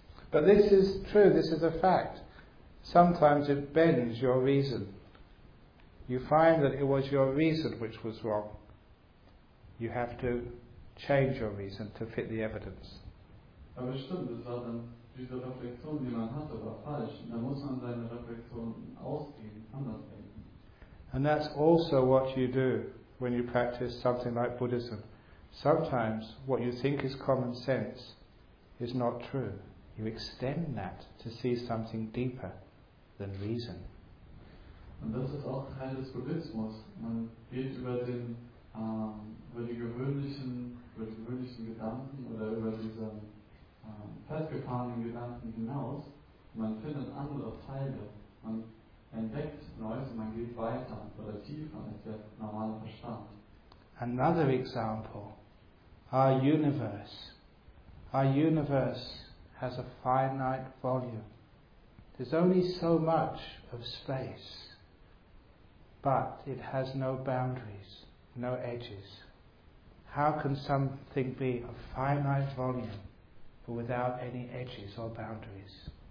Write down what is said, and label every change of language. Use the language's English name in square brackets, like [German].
[English] But this is true, this is a fact. Sometimes it bends your reason. You find that it was your reason which was wrong. You have to change your reason to fit the evidence. [German] Aber stimmt, es war dann diese Reflexion, die man hatte, war falsch. Da muss man seine Reflexion ausgehen, anders denken. [English] And that's also what you do when you practice something like Buddhism. Sometimes what you think is common sense is not true. You extend that to see something deeper than reason. [German] Und das ist auch Teil des Buddhismus. Man geht über den über die gewöhnlichen Gedanken oder über diese festgefahrenen Gedanken hinaus. Man findet andere Teile. Man entdeckt Neues und man geht weiter oder tiefer als der normale Verstand. [English] Another example. Our universe. Our universe has a finite volume. There's only so much of space. But it has no boundaries, no edges. How can something be a finite volume but without any edges or boundaries?